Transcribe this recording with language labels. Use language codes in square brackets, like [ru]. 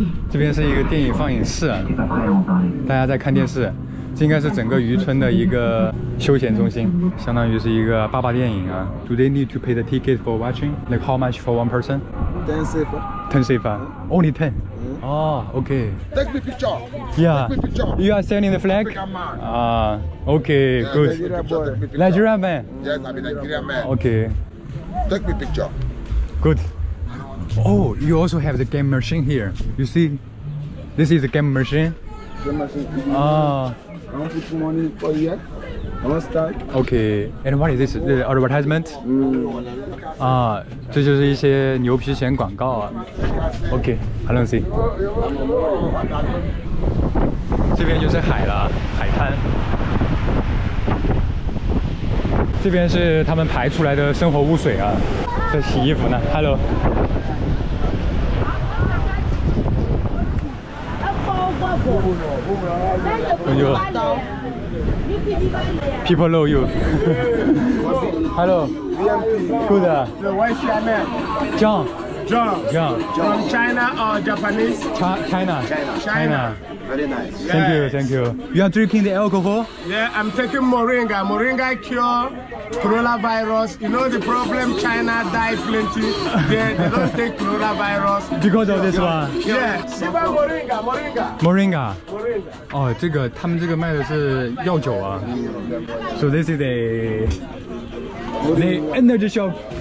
[zh] 这边是一个电影放映室，大家在看电视。这应该是整个渔村的一个休闲中心，相当于是一个爸爸电影啊。 [en] Do they need to pay the ticket for watching? Like how much for one person? Ten safer. Only ten. Oh, okay. Take me picture. Yeah. Take me picture. You are standing the flag. Ah, okay, yeah, good. Nigerian man. Yes, I'm a Nigerian man. Okay. Take me picture. Good. Oh, you also have the game machine here. You see, this is a game machine. Game machine. Ah. I want to put money for you. I want to start. Okay. And what is this? The advertisement? 嗯。 [zh] 啊，这就是一些牛皮癣广告啊。 [en] Okay. Hello, C. [zh] 这边就是海了，海滩。这边是他们排出来的生活污水啊，在洗衣服呢。 [en] Hello. People know you. Hello. Good. The white chairman. John. From China or Japanese? China. China. Very nice. Thank you. Thank you. You are drinking the alcohol? Yeah, I'm taking Moringa. Moringa cure coronavirus. You know the problem, China die plenty. They don't take coronavirus. Because of this one? Yeah. Sipa Moringa, Moringa. Moringa. 哦， [zh] 这个他们这个卖的是药酒啊。 [en] So this is the energy shop.